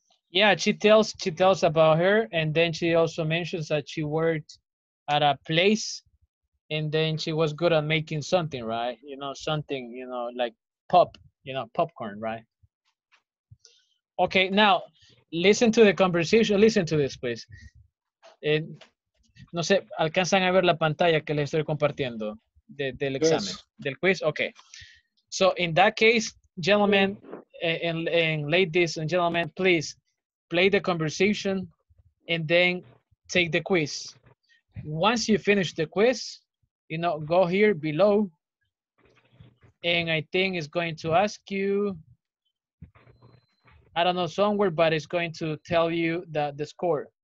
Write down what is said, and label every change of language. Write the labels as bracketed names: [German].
[English] Yeah, she tells about her, and then she also mentions that she worked at a place, and then she was good at making something, right? You know, something, you know, like pop, you know, popcorn, right? Okay, now listen to the conversation. Listen to this, please. [Spanish] No sé, ¿alcanzan a ver la pantalla que les estoy compartiendo del examen, yes, del quiz? [English] Okay. So in that case, gentlemen and ladies and gentlemen, please play the conversation and then take the quiz. Once you finish the quiz, you know, go here below, and I think it's going to ask you, I don't know somewhere, but it's going to tell you the score.